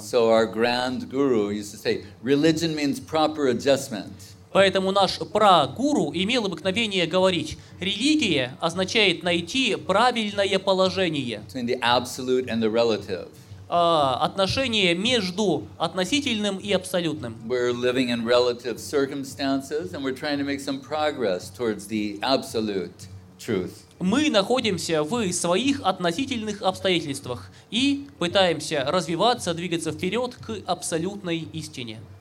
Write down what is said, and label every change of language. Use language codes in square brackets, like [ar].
[en] So our grand guru used to say, religion means proper adjustment. [ru] Поэтому наш прагуру имел обыкновение говорить, религия означает найти правильное положение. [en] Between the absolute and the relative. [ru] Отношение между относительным и абсолютным. [en] We're living in relative circumstances and we're trying to make some progress towards the absolute truth. [ru] Мы находимся в своих относительных обстоятельствах и пытаемся развиваться, двигаться вперед к абсолютной истине.